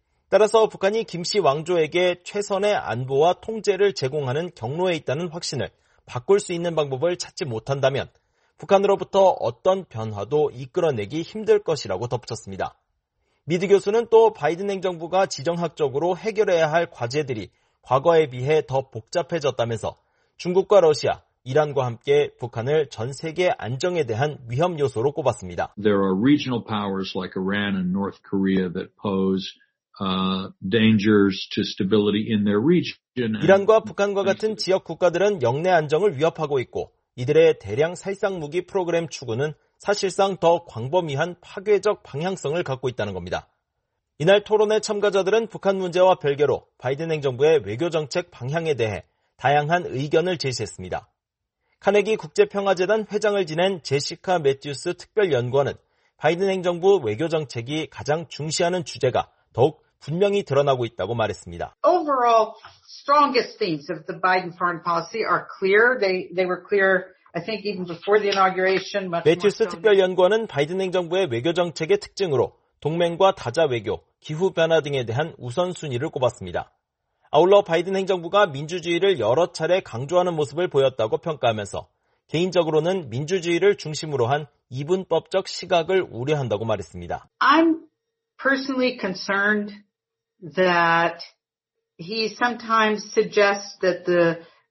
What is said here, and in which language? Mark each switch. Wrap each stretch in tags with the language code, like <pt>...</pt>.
<ko>따라서 북한이 김씨 왕조에게 최선의 안보와 통제를 제공하는 경로에 있다는 확신을 바꿀 수 있는 방법을 찾지 못한다면 북한으로부터 어떤 변화도 이끌어내기 힘들 것이라고 덧붙였습니다. 미드 교수는 또 바이든 행정부가 지정학적으로 해결해야 할 과제들이 과거에 비해 더 복잡해졌다면서 중국과 러시아, 이란과 함께 북한을 전 세계 안정에 대한 위험 요소로 꼽았습니다.</ko> <en>There are regional powers like Iran and North Korea that pose dangers to stability in their region.</en> <ko>이란과 북한과 같은 지역 국가들은 영내 안정을 위협하고 있고 이들의 대량 살상 무기 프로그램 추구는 사실상 더 광범위한 파괴적 방향성을 갖고 있다는 겁니다. 이날 토론회 참가자들은 북한 문제와 별개로 바이든 행정부의 외교정책 방향에 대해 다양한 의견을 제시했습니다. 카네기 국제평화재단 회장을 지낸 제시카 매튜스 특별연구원은 바이든 행정부 외교정책이 가장 중시하는 주제가 더욱 분명히 드러나고 있다고 말했습니다.</ko> <en>Overall, strongest themes of the Biden foreign policy are clear. They were clear. I think even before the inauguration,</en> <ko>매튜스 특별연구원은 바이든 행정부의 외교정책의 특징으로 동맹과 다자외교, 기후변화 등에 대한 우선순위를 꼽았습니다. 아울러 바이든 행정부가 민주주의를 여러 차례 강조하는 모습을 보였다고 평가하면서 개인적으로는 민주주의를 중심으로 한 이분법적 시각을 우려한다고 말했습니다.</ko> <en>I'm personally concerned that he sometimes suggests that the</en>